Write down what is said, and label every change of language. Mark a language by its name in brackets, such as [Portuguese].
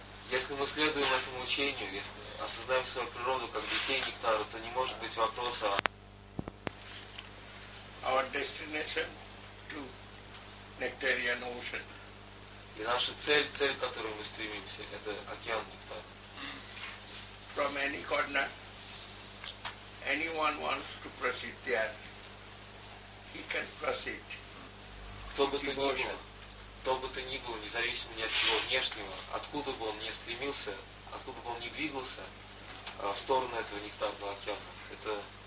[Russian] Если мы следуем этому учению, если осознаем свою природу как детей нектара, то не может быть вопроса. [English] Our destination to nectarian ocean. [Russian] И наша цель, к которой мы стремимся, это океан нектара. [English] From any corner. Anyone wants to proceed there, he can proceed. [Russian] Кто бы то ни был, независимо ни от чего внешнего, откуда бы он ни стремился, откуда бы он ни двигался, в сторону этого нектарного океана, это